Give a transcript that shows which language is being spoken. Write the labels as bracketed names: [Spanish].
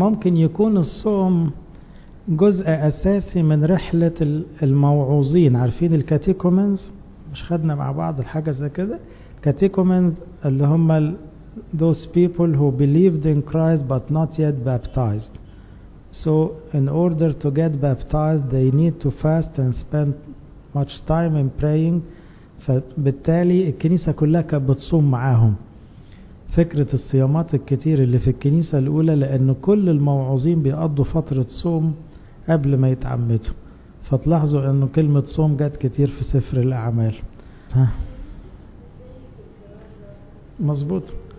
[Arabic] ممكن يكون الصوم جزء أساسي من رحلة الموعوظين. عارفين الكاتيكومنز؟ مش خدنا مع بعض الحاجة زي كده؟ الكاتيكومنز اللي هم [English] those people who believed in Christ but not yet baptized. So in order to get baptized they need to fast and spend much time in praying. [Arabic] فبالتالي الكنيسة كلها كانت بتصوم معاهم. فكرة الصيامات الكتير اللي في الكنيسة الأولى لأن كل الموعوظين بيقضوا فترة صوم قبل ما يتعمدوا. فتلاحظوا أنه كلمة صوم جت كتير في سفر الأعمال. ها، مظبوط.